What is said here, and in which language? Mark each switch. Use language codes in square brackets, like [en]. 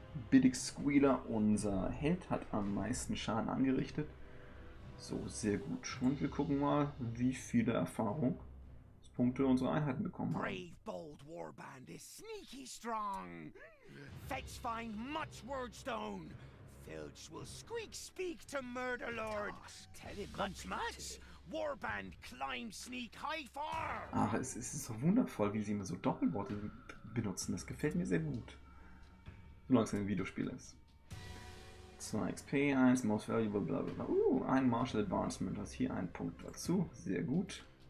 [de] Billig Squealer, unser Held, hat am meisten Schaden angerichtet. So, sehr gut. Und wir gucken mal, wie viele Erfahrungspunkte unsere Einheiten bekommen haben. [en] Brave, bold Warband is sneaky strong. Fetch find much Wordstone. Filch will squeak speak to Murderlord. Tell him much much. Warband climb sneak high far. [de] Ach, es ist so wundervoll, wie sie immer so Doppelworte benutzen. Das gefällt mir sehr gut. Solange es ein Videospiel ist. 2 XP, 1 Most Valuable, bla bla bla. Ein Martial Advancement. Du hast hier einen Punkt dazu. Sehr gut.